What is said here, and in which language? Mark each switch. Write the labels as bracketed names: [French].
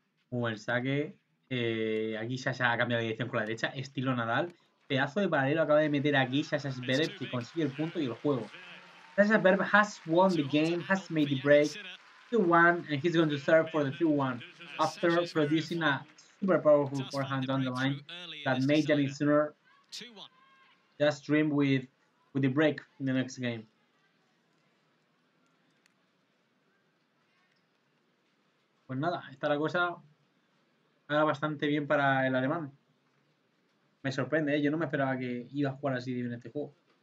[Spanish] Un buen saque. Aquí Sasha ha cambiado de dirección con la derecha, estilo Nadal. Pedazo de paralelo acaba de meter aquí Sasha Zverev y consigue el punto y el juego. [English] Sasha Zverev has won the game, has made the break 2-1 and he's going to serve for the 2-1 after producing a super powerful forehand on the line that made Jannik sooner just dream with the break in the next game. [Spanish] Pues nada, está la cosa ahora bastante bien para el alemán. Me sorprende, yo no me esperaba que iba a jugar así bien este juego.